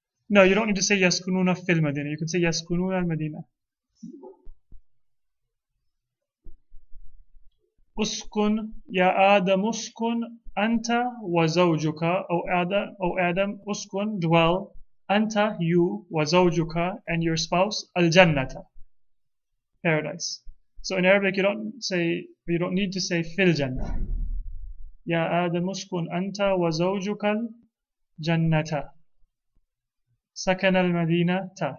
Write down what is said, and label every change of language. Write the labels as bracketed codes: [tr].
[en] No, you don't need to say [ar] يَسْكُنُونَ فِي الْمَدِينَةِ. [en] You can say [ar] يَسْكُنُونَ الْمَدِينَةِ. أسكن يا آدم أسكن أنت وزوجك أو آدم أو آدم أسكن dwell أنت you وزوجك [en] and your spouse [ar] الجنة [en] paradise. So in Arabic you don't say you don't need to say [ar] في الجنة. يا آدم أسكن أنت وزوجك الجنة سكن المدينة تا.